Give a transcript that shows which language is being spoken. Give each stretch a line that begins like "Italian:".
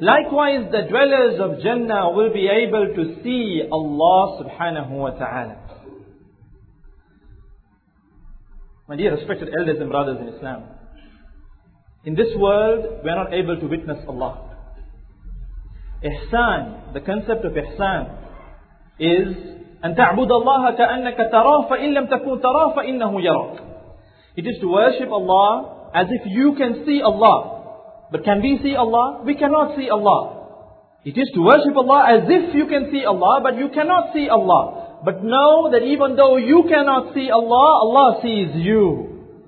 English: Likewise, the dwellers of Jannah will be able to see Allah subhanahu wa ta'ala. My dear respected elders and brothers in Islam, in this world, we are not able to witness Allah. Ihsan, the concept of ihsan, is
Arabic: أن تعبد الله كأنك تراه فإن لم تكن تراه فإنه يراك.
English: It is to worship Allah as if you can see Allah. But can we see Allah? We cannot see Allah. It is to worship Allah as if you can see Allah, but you cannot see Allah. But know that even though you cannot see Allah, Allah sees you.